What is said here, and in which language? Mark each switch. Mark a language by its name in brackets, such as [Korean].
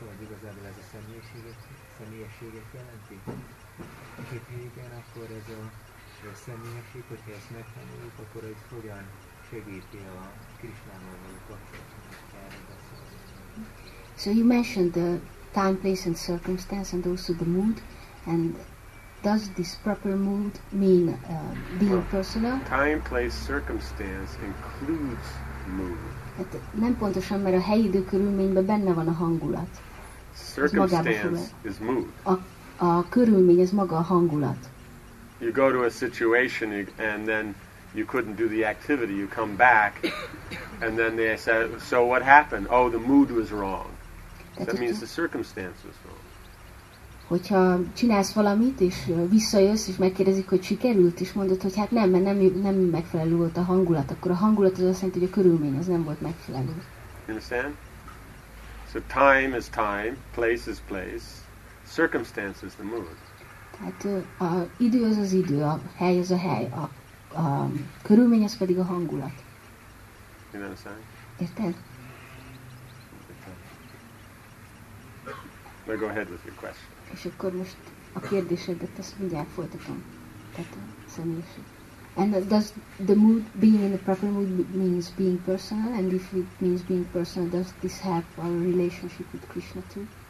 [Hungarian] Személyességet jelenti? Hogyha igen, akkor ez a személyesség, hogyha ezt megtanuljuk, akkor ez hogyan segíti a Krisnával való kapcsolatot? [English] So you mentioned the time, place and circumstance and also the mood. And does this proper mood mean being personal? Time, place, circumstance includes mood. [Hungarian] Hát nem pontosan, mert a helyi idő körülményben benne van a hangulat. [English] Circumstance is mood. [Hungarian] A körülmény ez maga a hangulat. [English] You go to a situation and then you couldn't do the activity. You come back and then they say, so what happened? Oh, the mood was wrong. That means the circumstance was wrong. [Hungarian] hogyha csinálsz valamit, és visszajössz, és megkérdezik, hogy sikerült, és mondod, hogy hát nem, mert nem megfelelő volt a hangulat, akkor a hangulat az azt jelenti, hogy a körülmény az nem volt megfelelő. [English] Understand? So time is time, place is place, circumstance is the mood. [Hungarian] Tehát az idő az az idő, a hely az a hely, a körülmény az pedig a hangulat. [English] You understand? [Hungarian] Érted? [English] Now go ahead with your question. [Hungarian] És akkor most a kérdésedet azt mindjárt folytatom. Tehát a személyiség. [English] And does the mood, being in the proper mood, means being personal? And if it means being personal, does this help our relationship with Krishna too?